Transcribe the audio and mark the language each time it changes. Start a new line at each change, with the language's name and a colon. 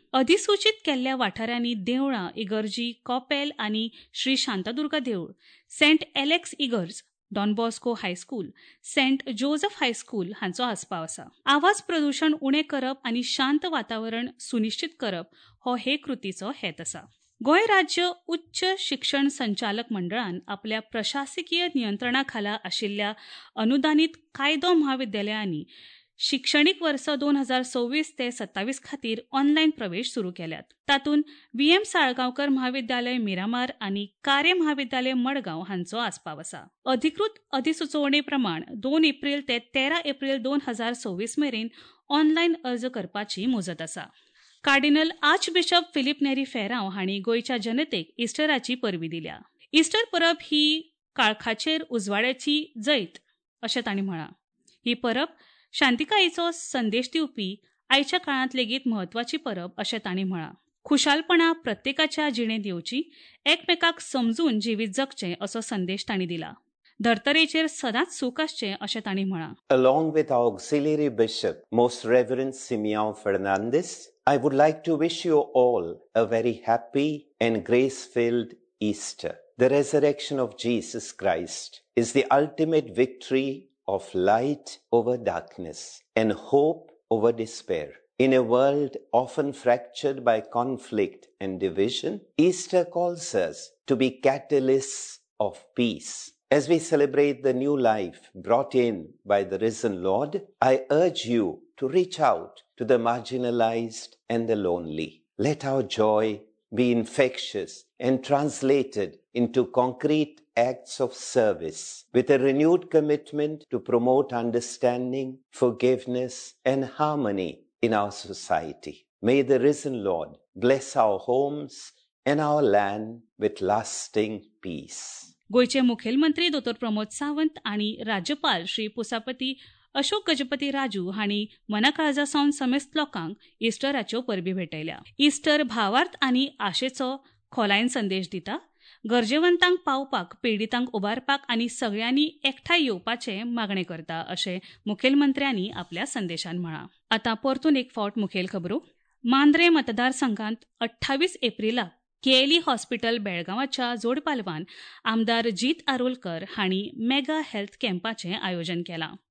Konkani: अधिसूचित केल्ल्या वाठारांनी देवळां, इगर्जी, कॉपेल आनी श्री शांतादुर्गा देवूळ, सेंट एलेक्स इगर्ज, don Bosco high school, Saint Joseph high school हांचो आसपाव आसा. आवाज प्रदूषण उणें करप आनी शांत वातावरण सुनिश्चित करप हो हे कृतीचो हेत आसा. गोंय राज्य उच्च शिक्षण संचालक मंडळान आपल्या प्रशासकीय नियंत्रणा खाला आशिल्ल्या अनुदानीत कायदो महाविद्यालयांनी शिक्षणीक वर्स 2026-27 खातीर ऑनलाईन प्रवेश सुरू केल्यात. तातून व्हीएम साळगांवकर महाविद्यालय मिरामार आणि कारे महाविद्यालय मडगाव हांचो आसपाव आसा. अधिकृत अधिसुचोवणे प्रमाण 2 एप्रील ते 13 एप्रील 2026 मेरेन ऑनलाईन अर्ज करपाची मुजत आसा. कार्डिनल आर्च बिशप फिलीप नेरी फेराव हांणी गोयच्या जनतेक इस्टराची परबी दिल्या. इस्टर परब ही काळखाचेर उजवाड्याची जैत अशें ताणी म्हळा. ही परब शांतिकायेचो संदेश दिवपी आयच्या काळांत लेगीत म्हत्वाची परब अशें ताणी म्हळा. खुशालपणा प्रत्येकाच्या जिणेंत येवची, एकमेकाक समजून जिवीत जगचे असो संदेश ताणी दिला. धर्तरेचेर सदांच सुख आसचे अशें ताणी म्हळा.
English: Along with our auxiliary bishop most reverend Simiao Fernandes, I would like to wish you all a very happy and grace filled Easter. The resurrection of Jesus Christ is the ultimate victory of light over darkness and hope over despair. In a world often fractured by conflict and division, Easter calls us to be catalysts of peace. As we celebrate the new life brought in by the risen Lord, I urge you to reach out to the marginalized and the lonely. Let our joy be infectious and translated into concrete acts of service with a renewed commitment to promote understanding, forgiveness and harmony in our society. May the risen Lord bless our homes and our land with lasting peace.
Konkani: गोयचे मुख्यमंत्री डॉ प्रमोद सावंत आणि राज्यपाल श्री पुसापती अशोक गजपती राजू हांणी मनाकाळजा सावन समेस्त लोकांक इस्टराच्यो परबी भेटयल्या. इस्टर भावार्थ आनी आशेचो खोलायेन संदेश दिता. गरजेवंतांक पावपाक, पिडितांक उबारपाक आनी सगळ्यांनी एकठांय येवपाचे मागणे करता अशें मुखेलमंत्र्यांनी आपल्या संदेशान म्हळां. आतां परतून एक फावट मुखेल खबरो. मांद्रे मतदारसंघांत 28 एप्रिलाक केएलई हॉस्पिटल बेळगांवच्या जोडपालवान आमदार जीत आरोलकर हांणी मेगा हेल्थ कॅम्पाचे आयोजन केला.